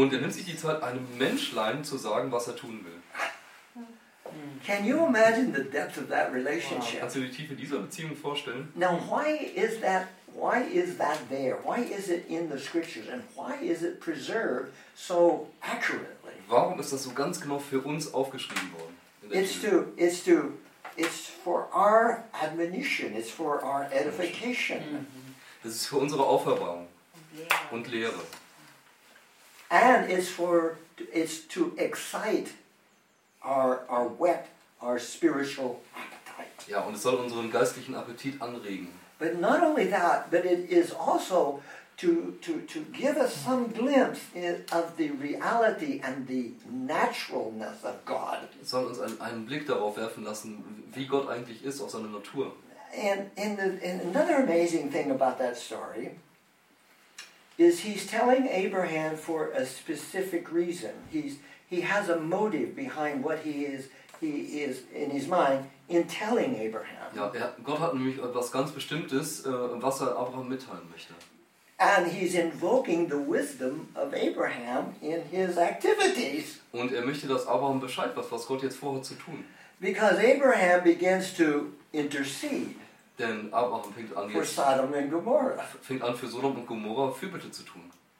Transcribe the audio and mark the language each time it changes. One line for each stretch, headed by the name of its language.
German: Und er nimmt sich die Zeit, einem Menschlein zu sagen, was er tun will.
English: Can you imagine the depth of that relationship?
German: Kannst du dir die Tiefe dieser Beziehung vorstellen?
English: Now, why is that there? Why is it in the scriptures and why is it preserved so accurately?
German: Warum ist das so ganz genau für uns aufgeschrieben worden?
English: It's for our admonition, it's for our edification.
German: Das ist für unsere Auferbauung und Lehre.
English: And it's to excite our wet, our spiritual appetite.
German: Ja, und es soll unseren geistlichen Appetit anregen.
English: But not only that, but it is also to give us some glimpse of the reality and the naturalness of God.
German: Soll uns einen Blick darauf werfen lassen, wie Gott eigentlich ist, auf seine Natur.
English: And another amazing thing about that story is he's telling Abraham for a specific reason. He has a motive behind what he is in his mind in telling Abraham.
German: Ja, Gott hat nämlich etwas ganz Bestimmtes, was er Abraham mitteilen möchte.
English: And he's invoking the wisdom of Abraham in his activities.
German: Und möchte, dass Abraham Bescheid weiß, was Gott jetzt vorhat zu tun.
English: Because Abraham begins to intercede.
German: Denn Abraham fängt an,
English: for Sodom and Gomorrah.
German: Fängt an, für Sodom und Gomorrah Fürbitte zu tun.